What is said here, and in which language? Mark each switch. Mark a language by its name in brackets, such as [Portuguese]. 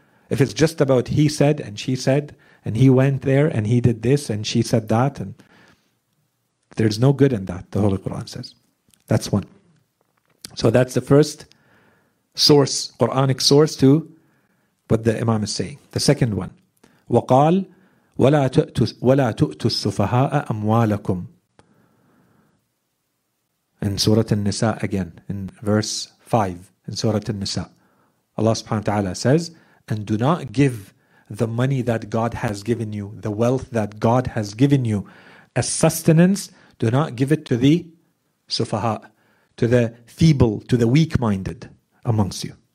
[English] If it's just about he said and she said, and he went there and he did this and she said that, and there's no good in that, the Holy Quran says. That's one. So that's the first source, Quranic source to what the Imam is saying. The second one. [Arabic] وقال ولا تؤتوا السفهاء أموالكم. [English] In Surah An-Nisa again, in verse 5, in Surah An-Nisa, Allah subhanahu wa ta'ala says, and do not give the money that God has given you, the wealth that God has given you, as sustenance, do not give it to the sufaha, to the feeble, to the weak-minded amongst you.